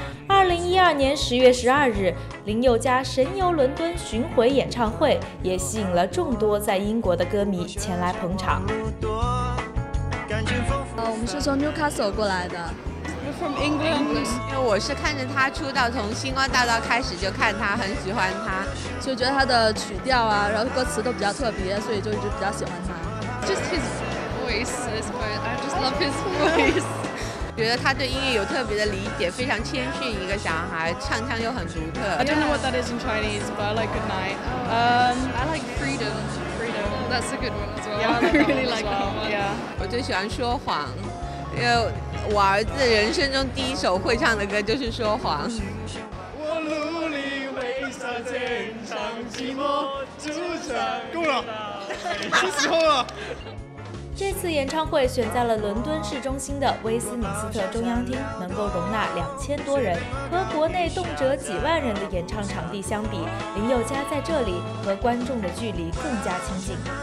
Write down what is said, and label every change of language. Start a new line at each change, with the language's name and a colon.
Chinese: 2012年10月12日，林宥嘉神游伦敦巡回演唱会也吸引了众多在英国的歌迷前来捧场。我们是从 Newcastle 过来的。
English: From England。
Chinese: 我是看着他出道，从星光大道开始就看他，很喜欢他，就觉得他的曲调啊，然后歌词都比较特别，所以就一直比较喜欢他。
English: Just his voice, I just love his voice。
Chinese: 觉得他对音乐有特别的理解，非常谦逊一个小孩，唱腔又很独特。
English: I don't know what that is in Chinese, but I like Good Night. I like Freedom. That's a good one as well. Yeah, I really like that one. Yeah.
Chinese: 我最喜欢说谎，因为我儿子人生中第一首会唱的歌就是说谎。我努力为啥坚强寂寞就像够了，是时候了。这次演唱会选在了伦敦市中心的威斯敏斯特中央厅，能够容纳2000多人，和国内动辄几万人的演唱场地相比，林宥嘉在这里和观众的距离更加亲近。